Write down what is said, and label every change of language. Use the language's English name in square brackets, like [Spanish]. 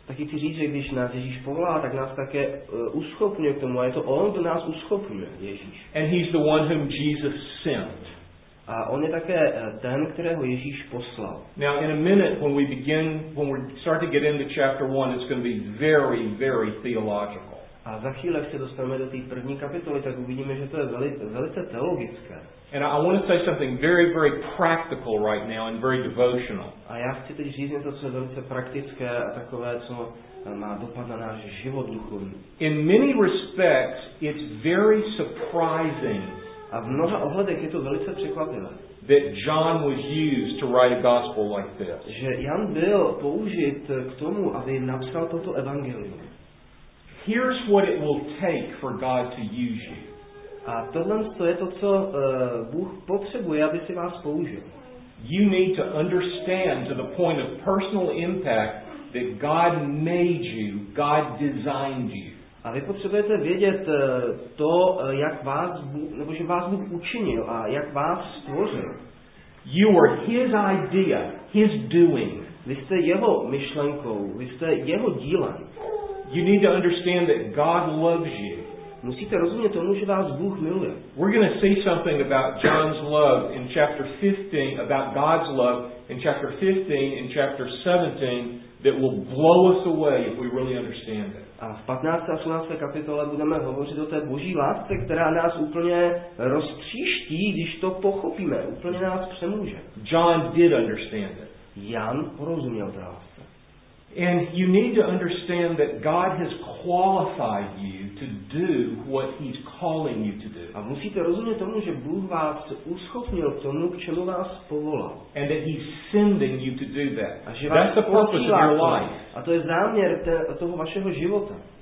[Czech] Taky chci říct, že když nás Ježíš povolá, tak nás také uschopňuje k tomu. A je to on, kdo nás uschopňuje, Ježíš. [English] And he's the one whom Jesus sent. [Czech] A on je také ten, kterého Ježíš poslal. [English] Now in a minute when we start to get into chapter 1, it's going to be very, very theological. [Czech] A za chvíli, když se dostaneme do té první kapitoly, tak uvidíme, že to je velice teologické. [English] And I want to say something very, very practical right now and very devotional. [Czech] A já chci teď říct něco, co je velice praktické a takové, co má dopad na náš život duchovní. [English] In many respects, it's very surprising. [Czech] A v mnoha ohledech je to velice překvapivé. [English] That John was used to write a gospel like this. [Czech] Že Jan byl použit k tomu, aby napsal toto evangelium. [English] Here's what it will take for God to use you. [Czech] A tohle je to, co Bůh potřebuje, aby si vás použil. [English] You need to understand to the point of personal impact that God made you, God designed you. [Czech] A vy potřebujete vědět to, jak vás, nebo že vás Bůh učinil a jak vás stvořil. [English] You are his idea, his doing. [Czech] Vy jste jeho myšlenkou, vy jste jeho dílem. [English] You need to understand that God loves you. [Czech] Musíte rozumět tomu, že vás Bůh miluje. [English] We're going to say something about John's love in chapter 15, about God's love in chapter 15 and chapter 17 that will blow us away if we really understand it. [Czech] A v 15. a 16. kapitole budeme hovořit o té Boží lásce, která nás úplně roztříští, když to pochopíme, úplně nás přemůže. [English] John did understand it. [Czech] Jan porozuměl té lásce. [English] And you need to understand that God has qualified you to do what he's calling you to do. [Czech] A musíte rozumět tomu, že Bůh vás uschopnil k tomu, k čemu vás povolal. [English] And that he's sending you to do that. [Czech] A že vás [English] That's the purpose of your life. [Czech] A to je záměr toho vašeho života.